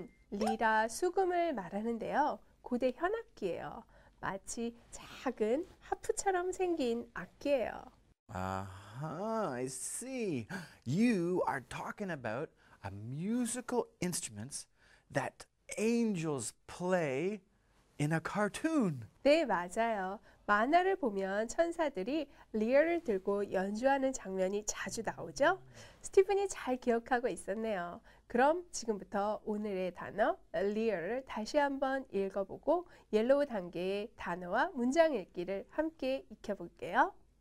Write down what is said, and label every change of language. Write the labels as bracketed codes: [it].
[ko] 리라 수금을 말하는데요. 고대 현악기예요. 마치 작은 하프처럼 생긴 악기예요. [en] 아하, I see. You are talking about a musical instrument that angels play in a cartoon. [ko] 네, 맞아요. 만화를 보면 천사들이 리어를 들고 연주하는 장면이 자주 나오죠? 스티븐이 잘 기억하고 있었네요. 그럼 지금부터 오늘의 단어 리어를 다시 한번 읽어보고 옐로우 단계의 단어와 문장 읽기를 함께 익혀볼게요.